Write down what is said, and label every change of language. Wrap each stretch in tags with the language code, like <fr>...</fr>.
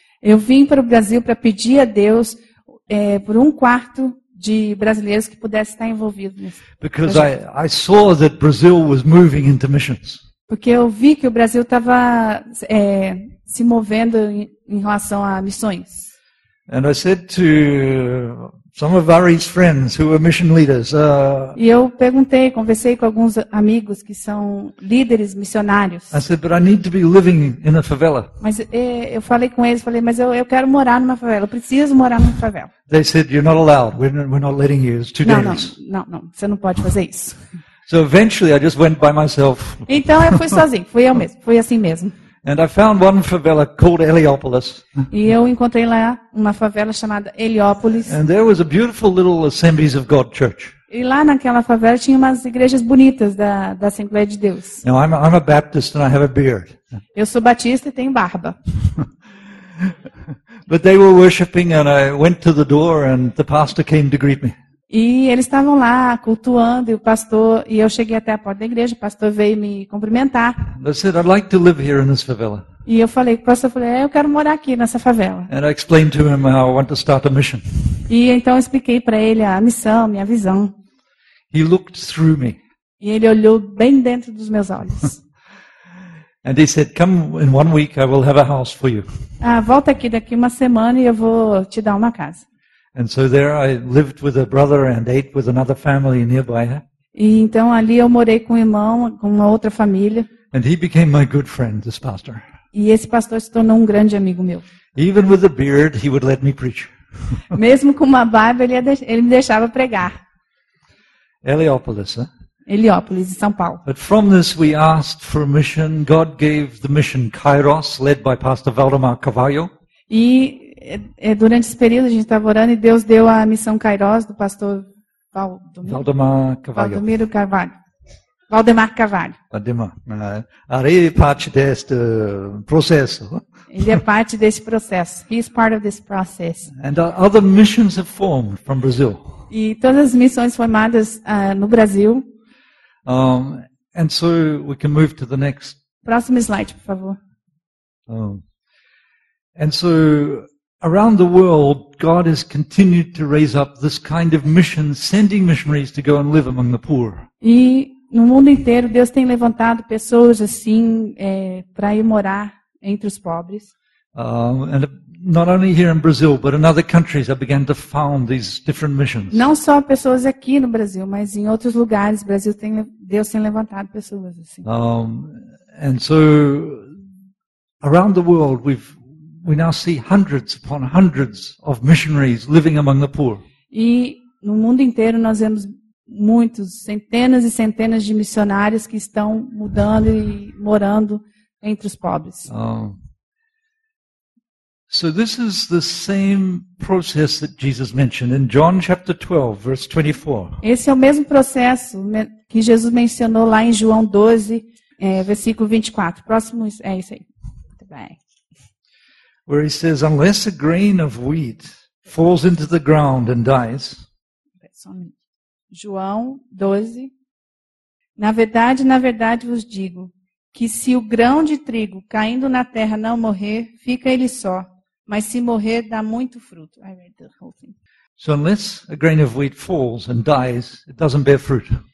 <pt>Eu vim para o Brasil para pedir a Deus por 1/4 de brasileiros que pudessem estar envolvidos nisso.</pt> <en>Because I saw that Brazil was moving into missions.</en> <pt>Porque eu vi que o Brasil estava se movendo em relação a missões.</pt> <en>And I said to some of Ari's friends who were mission leaders.</en> <pt>E eu perguntei, conversei com alguns amigos que são líderes missionários.</pt> <en>I said, but I need to be living in a favela.</en> <pt>Mas eu falei com eles, falei, mas eu quero morar numa favela, eu preciso morar numa favela.</pt> <en>They said, you're not allowed. We're not letting you. It's too dangerous.</en> <pt>Não, você não pode fazer isso.</pt> <en>So eventually I just went by myself.</en> <pt>Então eu fui sozinho, fui eu mesmo, fui assim mesmo.</pt> <en>And I found one favela called Heliópolis.</en> <pt>E eu encontrei lá uma favela chamada Heliópolis.</pt> <en>And there was a beautiful little Assemblies of God church.</en> <pt>E lá naquela favela tinha umas igrejas bonitas da Assembleia de Deus.</pt> <en>Now I'm a Baptist and I have a beard.</en> <pt>Eu sou batista e tenho barba.</pt> <en>But they were worshiping and I went to the door and the pastor came to greet me.</en> <pt>E eles estavam lá cultuando e o pastor e eu cheguei até a porta da igreja, o pastor veio me cumprimentar.</pt> <en>I said, I'd like to live here in this favela.</en> <pt>E eu falei, o pastor falou, eu quero morar aqui nessa favela.</pt> <en>And I explained to him how I want to start a mission.</en> <pt>E então eu expliquei para ele a missão, minha visão.</pt> <en>He looked through me.</en> <pt>E ele olhou bem dentro dos meus olhos.</pt> <en>And he said, "Come in 1 week, I will have a house for you."</en> <pt>Ah, volta aqui daqui uma semana e eu vou te dar uma casa.</pt> <en>And so there I lived with a brother and ate with another family nearby.</en> <pt>E então ali eu morei com um irmão, com uma outra família.</pt> <en>And he became my good friend, this pastor.</en> <pt>E esse pastor se tornou um grande amigo meu.</pt> <en>Even with a beard, he would let me preach.</en> <pt>Mesmo com uma barba, ele me deixava pregar. Heliópolis, né? Heliópolis, em São Paulo.</pt> <en>But from this we asked for mission. God gave the mission Kairos, led by Pastor Valdemar Cavallo.</en> <pt>E durante esse período a gente estava orando e Deus deu a missão Kairos do pastor Valdemar Cavallo. Valdemar. Ele é parte deste processo. Ele é parte desse processo.</pt> <en>He is part of this process. And other missions have formed from Brazil.</en> <pt>E todas as missões formadas no Brasil.</pt> <en>And so we can move to the next.</en> <pt>Próximo slide, por favor.</pt> <en>And so around the world, God has continued to raise up this kind of mission, sending missionaries to go and live among the poor.</en> <pt>E no mundo inteiro, Deus tem levantado pessoas assim para ir morar entre os pobres.</pt> <en>And not only here in Brazil, but in other countries, I began to found these different missions.</en> <pt>Não só pessoas aqui no Brasil, mas em outros lugares, Brasil tem Deus tem levantado pessoas assim.</pt> <en>And so, around the world, we now see hundreds upon hundreds of missionaries living among the poor.</en> <pt>E no mundo inteiro nós vemos muitos, centenas e centenas de missionários que estão mudando e morando entre os pobres.</pt> <en>So this is the same process that Jesus mentioned in John chapter 12, verse 24.</en> <pt>Esse é o mesmo processo que Jesus mencionou lá em João 12, versículo 24. Próximo é isso aí. Muito bem.</pt> <en>Where he says, unless a grain of wheat falls into the ground and dies.</en> <pt>João 12. Na verdade vos digo, que se o grão de trigo caindo na terra não morrer, fica ele só. Mas se morrer, dá muito fruto.</pt> <en>I read the whole thing. So unless a grain of wheat falls and dies, it doesn't bear fruit.</en>